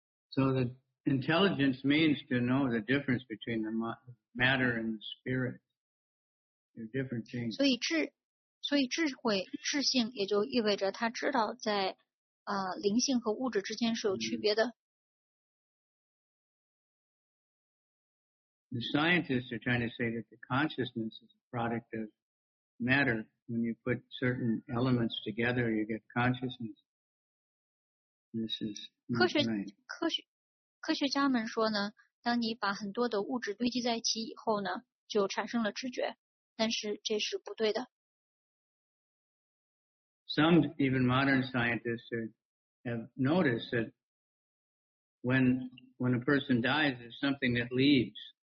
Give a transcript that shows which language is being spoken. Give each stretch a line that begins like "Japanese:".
English: So the intelligence means to know the difference between the matter and the spirit. They're different things.
Chinese: 所以智慧智性也就意味着他知道在灵性和物质之间是有区别的。
English: The scientists are trying to say that the consciousness is a product of matter. When you put certain elements together, you get consciousness. This is not right.
Chinese: 科学家们说呢，当你把很多的物质堆积在一起以后呢，就产生了知觉，但是这是不对的。
English: Some even modern scientists have noticed that when a person dies, there's something that leaves.